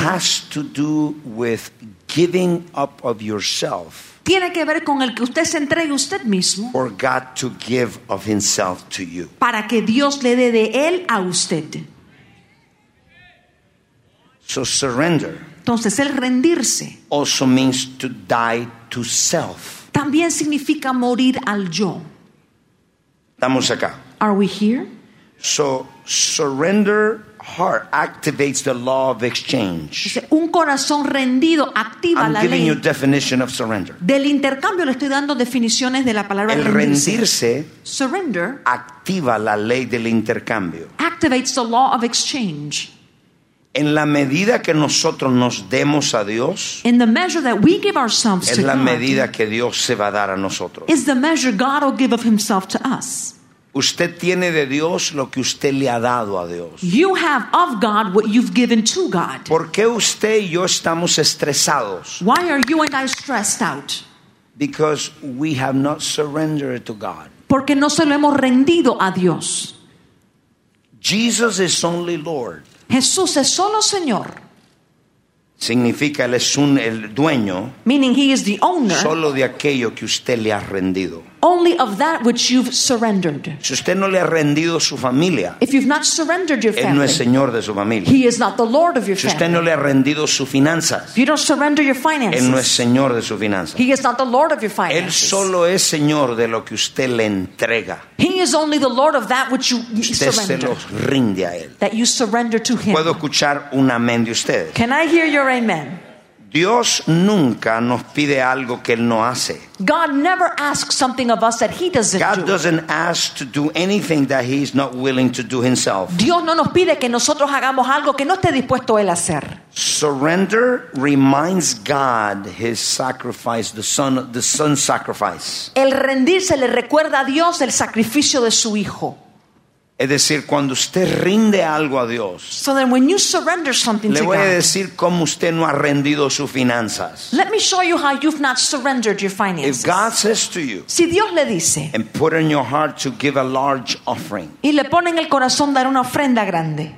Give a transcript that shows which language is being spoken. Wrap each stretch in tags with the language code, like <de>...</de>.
<en>has to do with giving up of yourself.</en> <es>Tiene que ver con el que usted se entregue usted mismo.</es> <en>For God to give of himself to you.</en> <es>Para que Dios le dé de él a usted.</es> <en>So surrender.</en> <es>Entonces el rendirse.</es> <en>Also means to die to self.</en> <es>También significa morir al yo. Estamos acá.</es> <en>Are we here? So surrender heart activates the law of exchange.</en> <es>Un corazón rendido activa la ley.</es> <en>I'm giving you definition of surrender.</en> <es>Del intercambio le estoy dando definiciones de la palabra rendirse. El rendirse</es> <en>surrender</en> <es>activa la ley del intercambio.</es> <en>Activates the law of exchange.</en> <es>En la medida que nosotros nos demos a Dios,</es> <en>in the measure that we give ourselves</en> <es>es la medida que Dios se va a dar a nosotros.</es> <en>Is the measure God will give of himself to us.</en> <es>Usted tiene de Dios lo que usted le ha dado a Dios.</es> <en>You have of God what you've given to God.</en> <es>¿Por qué usted y yo estamos estresados?</es> <en>Why are you and I stressed out? Because we have not surrendered to God.</en> <es>Porque no se lo hemos rendido a Dios.</es> <en>Jesus is only Lord.</en> <es>Jesús es solo Señor. Significa él es el dueño.</es> <en>Meaning he is the owner.</en> <es>Solo de aquello que usted le ha rendido.</es> <en>Only of that which you've surrendered.</en> <es>Si usted no le ha rendido su familia.</es> <en>If you've not surrendered your family.</en> <es>Él no es señor de su familia.</es> <en>He is not the lord of your</en> <es>family. Si usted no le ha rendido su finanzas.</es> <en>If you don't surrender your finances.</en> <es>Él no es señor de su finanzas.</es> <en>He is not the lord of your finances.</en> <es>Él solo es señor de lo que usted le entrega.</es> <en>He is only the lord of that which you surrender.</en> <es>Usted se lo rinde a él.</es> <en>That you surrender to him.</en> <es>Puedo escuchar un amén de ustedes.</es> <en>Can I hear your amen?</en> <es>Dios nunca nos pide algo que él no hace.</es> <en>God never asks something of us that he doesn't God do. God doesn't ask to do anything that he's not willing to do himself.</en> <es>Dios no nos pide que nosotros hagamos algo que no esté dispuesto él a hacer.</es> <en>Surrender reminds God his sacrifice, the son's sacrifice.</en> <es>El rendirse le recuerda a Dios el sacrificio de su hijo. Es decir, cuando usted rinde algo a Dios.</es> <en>So then when you surrender something to God.</en> <es>Le voy a decir cómo usted no ha rendido sus finanzas.</es> <en>Let me show you how you've not surrendered your finances. If God says to you.</en> <es>Si Dios le dice.</es> <en>And put in your heart to give a large offering.</en> <es>Y le pone en el corazón dar una ofrenda grande.</es>